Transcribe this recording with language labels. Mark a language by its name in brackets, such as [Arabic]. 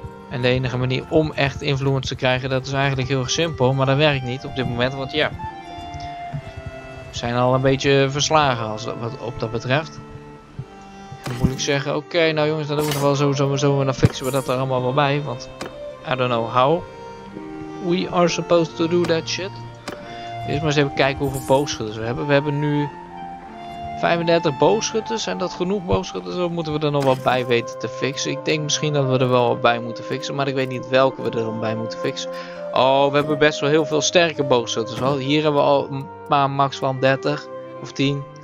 [Dutch] En de enige manier om echt influence te krijgen, dat is eigenlijk heel erg simpel. Maar dat werkt niet op dit moment, want ja. We zijn al een beetje verslagen als dat, wat op dat betreft. Dan moet ik zeggen, oké, nou jongens, dan doen we het wel zo. En dan fixen we dat er allemaal wel bij. Want, [English] I don't know how we are supposed to do that shit. [Dutch] Eerst maar eens even kijken hoeveel boogschutters we hebben. We hebben nu 35 boogschutters. Zijn dat genoeg boogschutters? Of moeten we er nog wat bij weten te fixen? Ik denk misschien dat we er wel wat bij moeten fixen. Maar ik weet niet welke we er dan bij moeten fixen. Oh, we hebben best wel heel veel sterke boogschutters. Hier hebben we al maar max van 30 of 10.